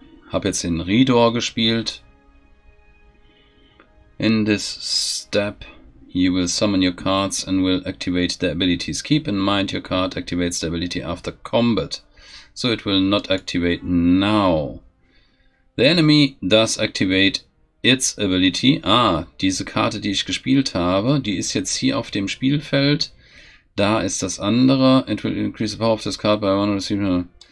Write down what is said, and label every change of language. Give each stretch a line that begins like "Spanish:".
German: Hab jetzt den Ridor gespielt.
English: In this step, you will summon your cards and will activate their abilities. Keep in mind, your card activates the ability after combat, so it will not activate now. The enemy does activate its ability.
German: Ah, diese Karte, die ich gespielt habe, die ist jetzt hier auf dem Spielfeld. Da ist das andere.
English: It will increase the power of this card by one receiver.